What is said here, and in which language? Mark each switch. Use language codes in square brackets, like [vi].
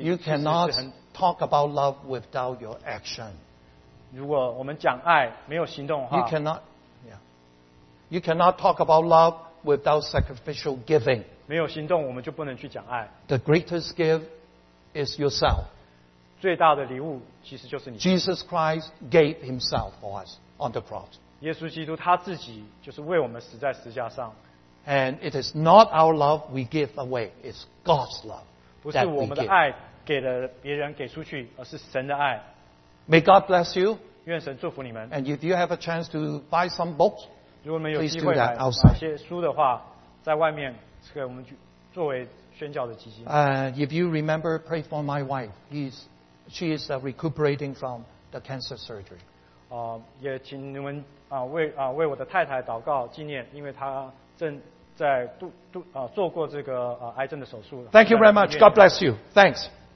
[en] You cannot talk about love without your action. [zh] 如果我们讲爱没有行动的话 [en] You cannot, yeah. You cannot talk about love without sacrificial giving. [zh] 没有行动我们就不能去讲爱 [en] The greatest gift is yourself. [zh] 最大的礼物其实就是你 [en] Jesus Christ gave himself for us on the cross. [zh] 耶稣基督他自己就是为我们死在十架上 [en] And it is not our love we give away. It's God's love. [zh] 不是我们的爱给了别人给出去，而是神的爱。 [en] May God bless you. [zh] 愿神祝福你们。 [en] And if you have a chance to buy some books, [zh] 如果我们有机会买一些书的话，在外面这个我们作为宣教的基金。 [en] If you remember, pray for my wife. She is recuperating from the cancer surgery. [zh] 也请你们为我的太太祷告纪念，因为她正。在做过这个癌症的手术。 [en] Thank you very much. God bless you. Thanks.